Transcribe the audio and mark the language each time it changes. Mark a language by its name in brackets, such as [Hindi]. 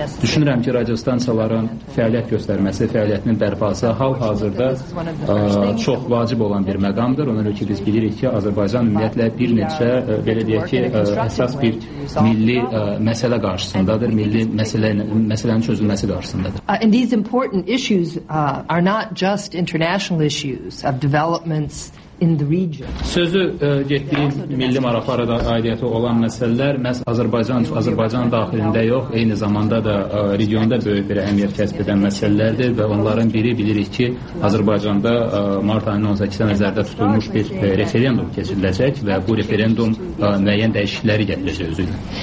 [Azerbaijani] Düşünürəm ki, radiostansiyaların fəaliyyət göstərməsi, fəaliyyətinin bərpası hal-hazırda çox vacib olan bir məqamdır. Onun üçün biz bilirik ki, Azərbaycan ümumiyyətlə bir neçə, belə deyək ki, əsas bir milli məsələ qarşısındadır, milli məsələnin çözülməsi qarşısındadır. [English] And these important issues are not just international issues of developments in the region. [Azerbaijani] Sözü getdiyin milli maraqlara da aidiyyəti olan məsələlər məhz Azərbaycan daxilində yox, eyni zamanda da regionda böyük bir əhəmiyyət kəsb edən məsələlərdir və onların biri bilirik ki, Azərbaycanda mart ayının 18-də nəzərdə tutulmuş bir referendum keçiriləcək və bu referendum müəyyən dəyişiklikləri gətirəcək özü ilə.